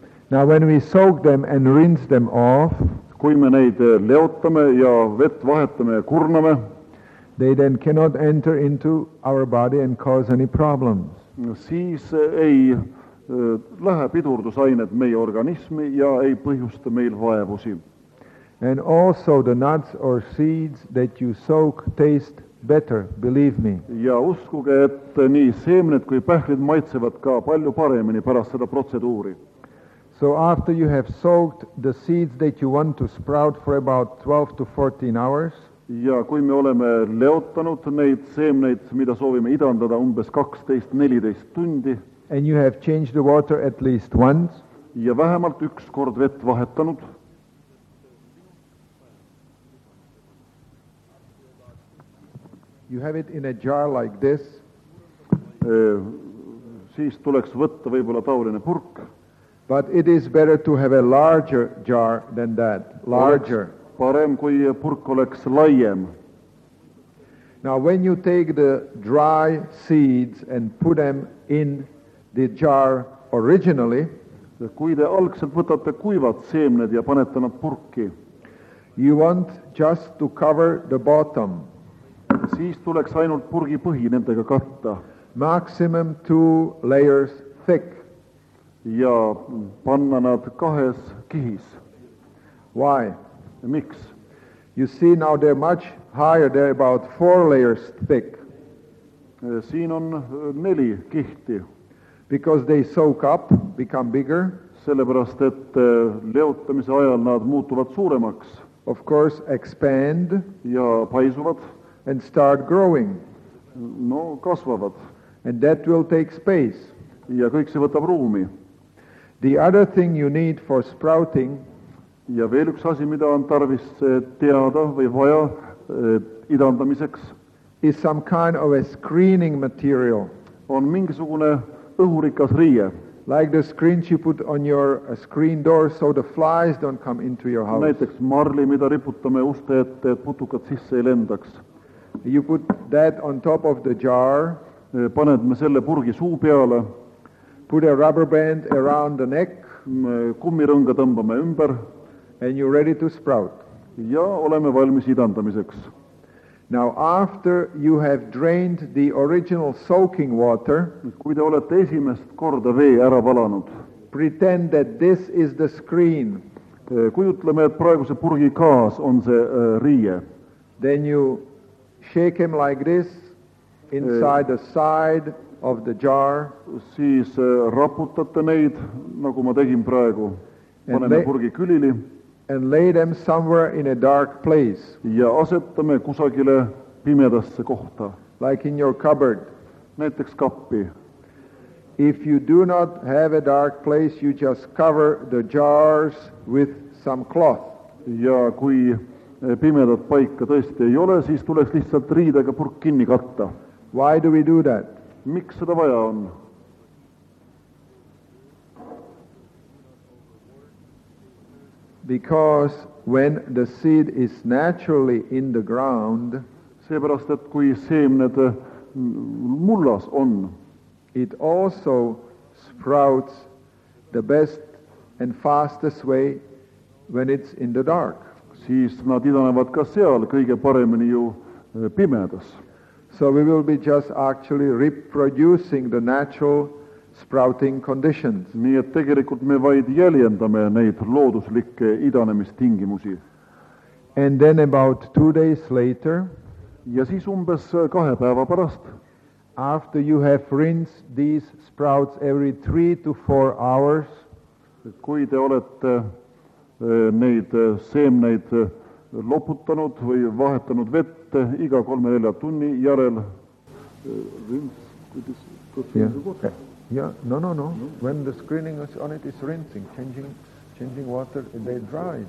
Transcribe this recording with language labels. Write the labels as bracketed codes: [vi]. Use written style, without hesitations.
[en] Now when we soak them and rinse them off, [et] kui me neid leotame ja vett vahetame ja kurname, [en] they then cannot enter into our body and cause any problems. [et] Siis ei lähe pidurdusained meie organismi ja ei põhjusta meil vaevusi. [en] And also the nuts or seeds that you soak taste better, believe me. [et] Ja uskuge, et nii seemned kui pähklid maitsevad ka palju paremini pärast seda protseduuri. [en] So after you have soaked the seeds that you want to sprout for about 12 to 14 hours, [et] ja kui me oleme leotanud neid seemneid, mida soovime idandada umbes 12-14 tundi, [en] and you have changed the water at least once, [et] ja vähemalt üks kord vett vahetanud, [en] you have it in a jar like this, [et] siis tuleks võtta võibolla taoline purk, [en] but it is better to have a larger jar than that, larger. [et] Parem, kui purk oleks laiem. [en] Now, when you take the dry seeds and put them in the jar originally, [et] kui te algselt võtate kuivad seemned ja panete nad purki, [en] you want just to cover the bottom. [et] Siis tuleks ainult purgi põhi nendega katta. [en] Maximum two layers thick. [et] Ja panna nad kahes kihis. [en] Why? Mix. You see now they're much higher, they're about four layers thick. [et] Siin on neli kihti. [en] Because they soak up, become bigger. [et] Sellepärast, et leotamise ajal nad muutuvad suuremaks. [en] Of course, expand. [et] Ja paisuvad. [en] And start growing. [et] No, kasvavad. [en] And that will take space. [et] Ja kõik see võtab ruumi. [en] The other thing you need for sprouting, [et] ja veel üks asi, mida on tarvis teada või vaja idandamiseks, [en] is some kind of a screening material. [et] On mingisugune õhurikas riie. [en] Like the screens you put on your screen door so the flies don't come into your house. [et] Näiteks marli, mida riputame uste, et putukad sisse ei lendaks. [en] You put that on top of the jar. [et] Paned me selle purgi suu peale. [en] Put a rubber band around the neck. [et] Kummirõnga tõmbame ümber. [en] And you're ready to sprout. [et] Ja oleme valmis idandamiseks. [en] Now, after you have drained the original soaking water, [et] kui te olete esimest korda vee ära valanud, [en] pretend that this is the screen. [et] Kujutleme, et praegu see purgi kaas on see riie. [en] Then you shake him like this inside the side of the jar. [et] Siis raputate neid, nagu ma tegin praegu. Paneme purgi külili. [en] And lay them somewhere in a dark place. [et] Ja asetame kusagile pimedasse kohta. [en] Like in your cupboard. [et] Näiteks kappi. [en] If you do not have a dark place, you just cover the jars with some cloth. [et] Ja kui pimedat paika tõesti ei ole, siis tuleks lihtsalt riidega purk kinni katta. [en] Why do we do that? [et] Miks seda vaja on? [en] Because when the seed is naturally in the ground, [et] seepärast, et kui seemned mullas on, [en] it also sprouts the best and fastest way when it's in the dark. [et] Siis nad idanevad ka seal kõige paremini ju pimedas. [en] So we will be just actually reproducing the natural sprouting conditions. [et] Nii et tegelikult me vaid jäljendame neid looduslikke idanemistingimusi. [en] And then about 2 days later, [et] ja siis umbes kahe päeva pärast, [en] after you have rinsed these sprouts every 3 to 4 hours, [et] kui te olete neid seemneid loputanud või vahetanud vette iga 3-4 tunni järel, rins, kuidas kõik see kohta? [en] Yeah, no. When the screening is on it, it's rinsing, changing water, they dry.